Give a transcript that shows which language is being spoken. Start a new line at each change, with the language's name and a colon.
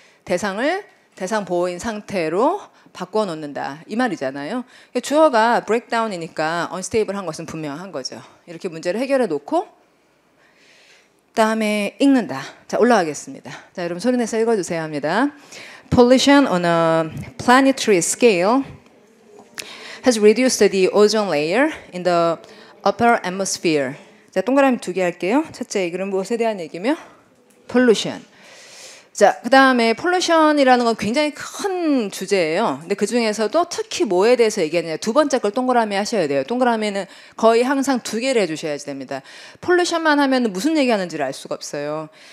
Korean: 대상을 대상 보호인 상태로 바꿔 놓는다 이 말이잖아요. 주어가 breakdown이니까 unstable 한 것은 분명한 거죠. 이렇게 문제를 해결해 놓고 다음에 읽는다. 자 올라가겠습니다. 자 여러분 소리 내서 읽어주세요 합니다.
English: Pollution on a planetary scale has reduced the ozone layer in the upper atmosphere.
Korean: 자 동그라미 두 개 할게요. 첫째 이건 무엇에 대한 얘기며? Pollution. 자, 그 다음에 pollution이라는 건 굉장히 큰 주제예요. 근데 그 중에서도 특히 뭐에 대해서 얘기하느냐. 두 번째 걸 동그라미 하셔야 돼요. 동그라미는 거의 항상 두 개를 해주셔야지 됩니다. pollution만 하면 무슨 얘기하는지를 알 수가 없어요.